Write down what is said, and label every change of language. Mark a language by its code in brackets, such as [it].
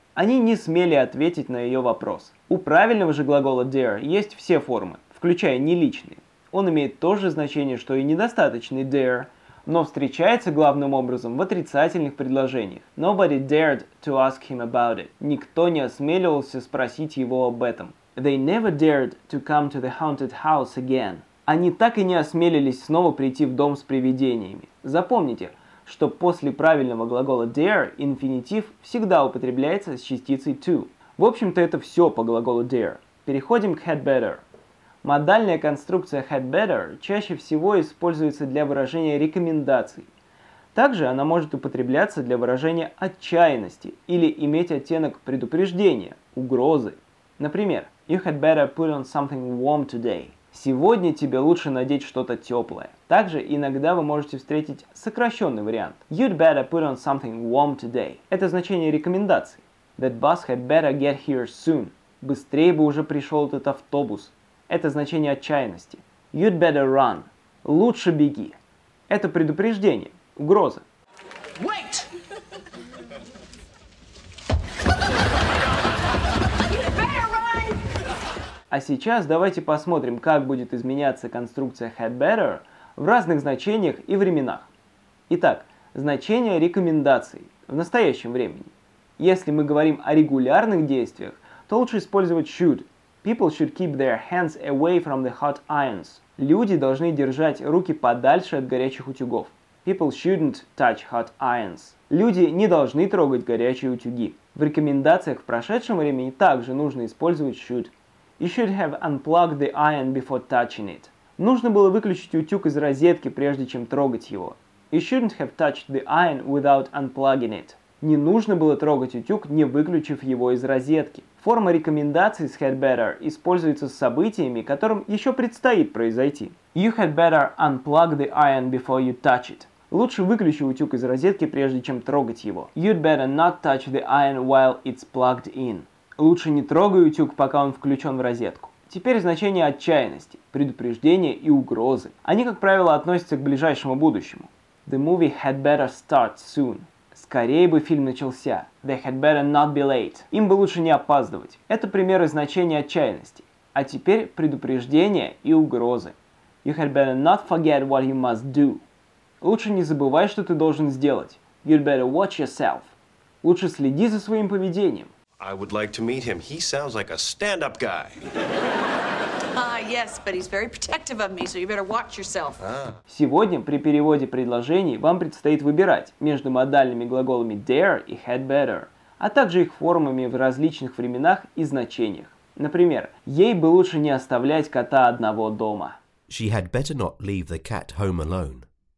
[ru] Они не смели ответить на ее вопрос. У правильного же глагола dare есть все формы, включая неличные. Он имеет то же значение, что и недостаточный dare, но встречается главным образом в отрицательных предложениях. [en] Nobody dared to ask him about it. [ru] Никто не осмеливался спросить его об этом. [en] They never dared to come to the haunted house again. [ru] Они так и не осмелились снова прийти в дом с привидениями. Запомните, что после правильного глагола dare инфинитив всегда употребляется с частицей to. В общем-то, это все по глаголу dare. Переходим к had better. Модальная конструкция had better чаще всего используется для выражения рекомендаций. Также она может употребляться для выражения отчаянности или иметь оттенок предупреждения, угрозы. Например, [en] you had better put on something warm today. [ru] Сегодня тебе лучше надеть что-то теплое. Также иногда вы можете встретить сокращенный вариант. [en] You'd better put on something warm today. [ru] Это значение рекомендации. [en] That bus had better get here soon. [ru] Быстрее бы уже пришел этот автобус. Это значение отчаянности. [en] You'd better run. [ru] Лучше беги. Это предупреждение, угроза. [en] Wait! [ru] А сейчас давайте посмотрим, как будет изменяться конструкция had better в разных значениях и временах. Итак, значение рекомендаций в настоящем времени. Если мы говорим о регулярных действиях, то лучше использовать should. [en] People should keep their hands away from the hot irons. [ru] Люди должны держать руки подальше от горячих утюгов. [en] People shouldn't touch hot irons. [ru] Люди не должны трогать горячие утюги. В рекомендациях в прошедшем времени также нужно использовать should. [en] You should have unplugged the iron before touching it. [ru] Нужно было выключить утюг из розетки, прежде чем трогать его. [en] You shouldn't have touched the iron without unplugging it. [ru] Не нужно было трогать утюг, не выключив его из розетки. Форма рекомендаций с had better используется с событиями, которым еще предстоит произойти. [en] You had better unplug the iron before you touch it. [ru] Лучше выключи утюг из розетки, прежде чем трогать его. [en] You'd better not touch the iron while it's plugged in. [ru] Лучше не трогай утюг, пока он включен в розетку. Теперь значение отчаянности, предупреждения и угрозы. Они, как правило, относятся к ближайшему будущему. [en] The movie had better start soon. [ru] Скорее бы фильм начался. [en] They had better not be late. [ru] Им бы лучше не опаздывать. Это примеры значения отчаянности. А теперь предупреждения и угрозы. [en] You had better not forget what you must do. [ru] Лучше не забывай, что ты должен сделать. [en] You'd better watch yourself. [ru] Лучше следи за своим поведением. [en] I would like to meet him. He sounds like a stand-up guy. Yes, but he's very protective of me, so you better watch yourself. [ru] Сегодня при переводе предложений вам предстоит выбирать между модальными глаголами dare и had better, а также их формами в различных временах и значениях. Например, ей бы лучше не оставлять кота одного дома. [en] She had better not leave the cat home alone.